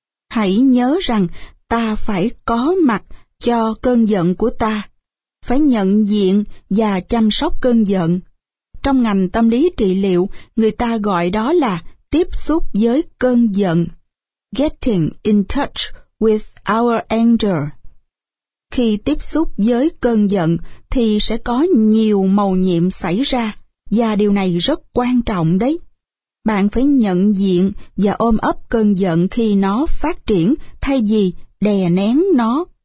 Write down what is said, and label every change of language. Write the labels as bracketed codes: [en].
[vi] Hãy nhớ rằng ta phải có mặt cho cơn giận của ta, phải nhận diện và chăm sóc cơn giận. Trong ngành tâm lý trị liệu, người ta gọi đó là tiếp xúc với cơn giận. [en] Getting in touch with our anger. [vi] Khi tiếp xúc với cơn giận thì sẽ có nhiều màu nhiệm xảy ra, và điều này rất quan trọng đấy. Bạn phải nhận diện và ôm ấp cơn giận khi nó phát triển thay vì đè nén nó.